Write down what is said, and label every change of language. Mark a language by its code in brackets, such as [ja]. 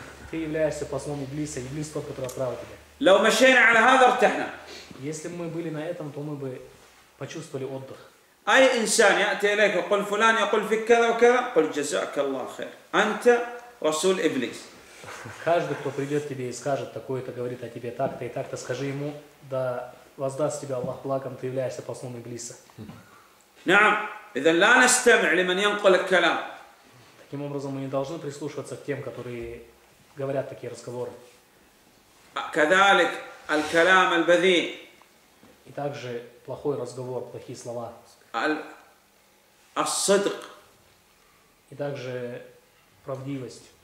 [ru] Ты являешься послом Иблиса, Иблис тот, который отправил тебя. Если бы мы были на этом, то мы бы почувствовали отдых. [ar] أي إنسان يأتي إليك وقل فلان يقول فيك كذا وكذا قل جزاك الله خير أنت رسول إبليس. [ru] Каждый кто придет тебе и скажет такое-то говорит о тебе так-то и так-то скажи ему да воздаст тебя Аллах благом ты являешься послом Иблиса. [ar] نعم إذا لا نستمع لمن ينقل الكلام. [ru] Таким образом мы не должны прислушиваться к тем которые говорят такие разговоры. [ar] كذلك الكلام البذيء. [ru] И также плохой разговор плохие слова. [ar] الصدق [ru] и также правдивость